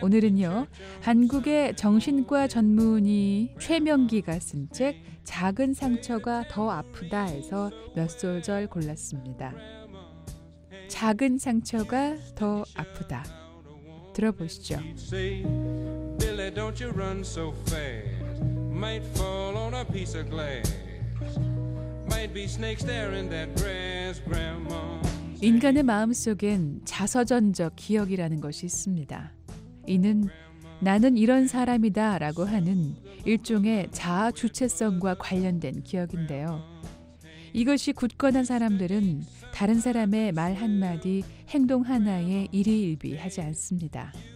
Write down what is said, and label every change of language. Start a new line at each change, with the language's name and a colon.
Korean: 오늘은요 한국의 정신과 전문의 최명기가 쓴 책 작은 상처가 더 아프다 해서 몇 소절 골랐습니다. 작은 상처가 더 아프다 들어보시죠.
English: Billy don't you run so fast Might fall on a piece of glass Might be snakes staring that grass, Grandma.
Korean: 인간의 마음속엔 자서전적 기억이라는 것이 있습니다. 이는 나는 이런 사람이다 라고 하는 일종의 자아 주체성과 관련된 기억인데요. 이것이 굳건한 사람들은 다른 사람의 말 한마디, 행동 하나에 일희일비하지 않습니다.